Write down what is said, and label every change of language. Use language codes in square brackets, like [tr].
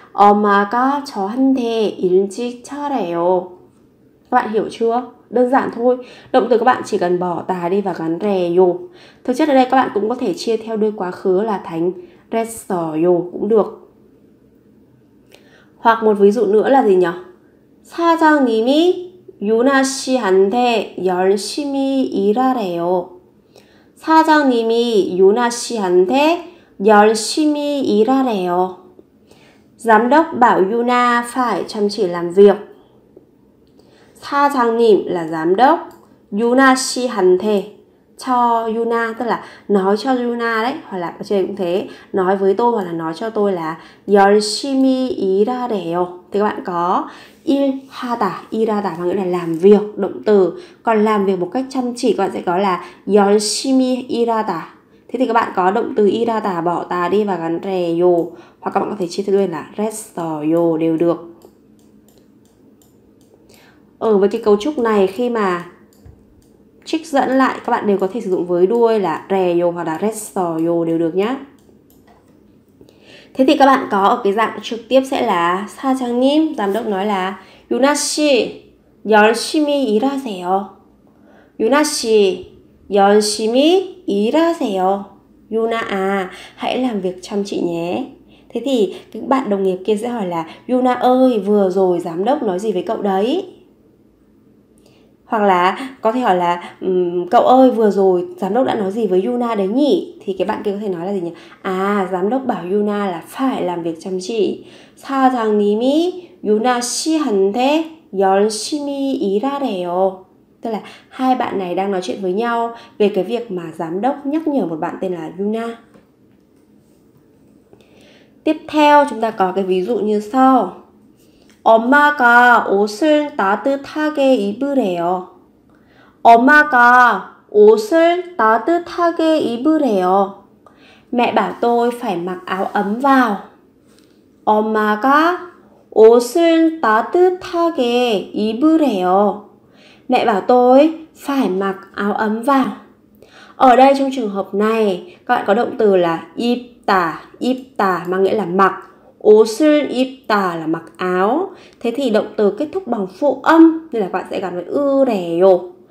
[ko] 엄마가 저한테 일찍 차래요. [vi] Các bạn hiểu chưa? Đơn giản thôi. Động từ các bạn chỉ cần bỏ tà đi và gắn rè yô. Thực chất ở đây các bạn cũng có thể chia theo đuôi quá khứ là thành restoryo cũng được. Hoặc một ví dụ nữa là gì nhỉ? [ko] 사장님이 유나 씨한테 열심히 일하래요. 사장님이 유나 씨한테 열심히 일하래요. [vi] Giám đốc bảo Yuna phải chăm chỉ làm việc. 사장님 là giám đốc, Yuna 씨한테 cho Yuna, tức là nói cho Yuna đấy, hoặc là ở trên cũng thế, nói với tôi hoặc là nói cho tôi là [ko] 열심히 일하래요. [vi] Thì các bạn có 일하다, 일하다 có nghĩa là làm việc, động từ. Còn làm việc một cách chăm chỉ các bạn sẽ có là [ko] 열심히 일하다. [vi] Thế thì các bạn có động từ 일하다 bỏ ta đi và gắn 래요, hoặc các bạn có thể chia luôn là 했어요 đều được. Ở với cái cấu trúc này, khi mà trích dẫn lại, các bạn đều có thể sử dụng với đuôi là 래요 hoặc là 했어요 đều được nhé. Thế thì các bạn có ở cái dạng trực tiếp sẽ là 사장님, giám đốc nói là [ko] 유나 씨 열심히 일하세요. 유나 씨 열심히 일하세요. [vi] Yuna à, hãy làm việc chăm chỉ nhé. Thế thì các bạn đồng nghiệp kia sẽ hỏi là Yuna ơi, vừa rồi giám đốc nói gì với cậu đấy? Hoặc là có thể hỏi là cậu ơi, vừa rồi giám đốc đã nói gì với Yuna đấy nhỉ? Thì các bạn kia có thể nói là gì nhỉ? À, giám đốc bảo Yuna là phải làm việc chăm chỉ. [ko] 사장님이 유나 씨한테 열심히 일하래요. [vi] Tức là hai bạn này đang nói chuyện với nhau về cái việc mà giám đốc nhắc nhở một bạn tên là Yuna. Tiếp theo chúng ta có cái ví dụ như sau. [ko] 엄마가 옷을 따뜻하게 입으래요. 엄마가 옷을 따뜻하게 입으래요. [vi] Mẹ bảo tôi phải mặc áo ấm vào. [ko] 엄마가 옷을 따뜻하게 입으래요. [vi] Mẹ bảo tôi phải mặc áo ấm vào. Ở đây trong trường hợp này, các bạn có động từ là [ko] 입다, 입다 [vi] mà nghĩa là mặc. [ko] 옷을 입다 [vi] là mặc áo. Thế thì động từ kết thúc bằng phụ âm, nên là các bạn sẽ gắn với 으래요.